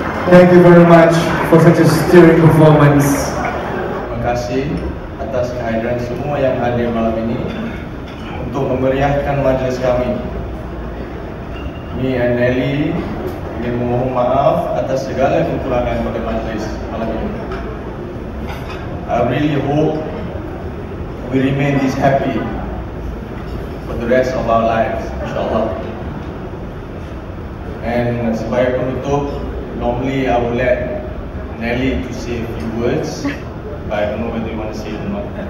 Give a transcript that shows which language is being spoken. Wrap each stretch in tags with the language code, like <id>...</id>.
<en>Thank you very much for such a stirring performance.</en> <ms>Terima kasih atas kehadiran semua yang hadir malam ini untuk memeriahkan majlis kami.</ms> <en>Me and Nelly</en> <ms>ingin mohon maaf atas segala kekurangan pada majlis malam ini.</ms> <en>I really hope we remain this happy for the rest of our lives, insyaAllah. And</en> <ms>sebagai penutup,</ms> <en>normally I would let Nelly to say a few words, but I don't know whether you want to say it or not.</en>